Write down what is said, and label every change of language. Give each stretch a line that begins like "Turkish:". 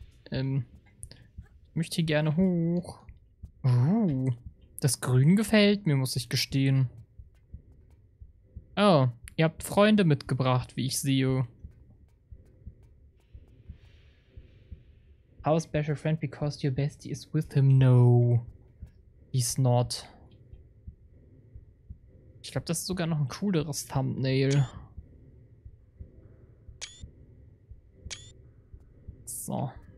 German: Ich möchte hier gerne hoch. Das Grün gefällt mir, muss ich gestehen. Oh, ihr habt Freunde mitgebracht, wie ich sehe.
English: How special friend because your bestie is with him? No, he's not.
German: Ich glaube, das ist sogar noch ein cooleres Thumbnail. So.